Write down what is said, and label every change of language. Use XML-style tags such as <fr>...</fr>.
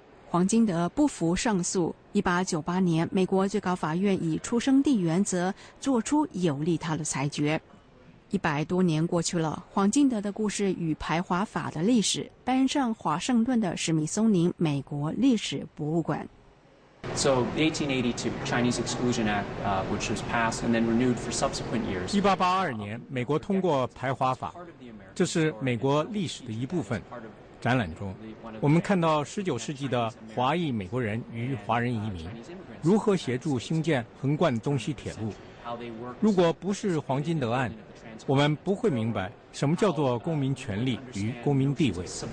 <zh>黄金德不服上诉。1898年，美国最高法院以出生地原则作出有利他的裁决。 100多年过去了，黄金德的故事与排华法的历史搬上华盛顿的史密松宁美国历史博物馆。</zh> <en>So, the 1882 Chinese Exclusion Act, which was passed and then renewed for subsequent years.</en> <zh>1882年，美国通过排华法，这是美国历史的一部分。展览中，我们看到19世纪的华裔美国人与华人移民如何协助兴建横贯东西铁路。如果不是黄金德案，我们不会明白什么叫做公民权利与公民地位。</zh>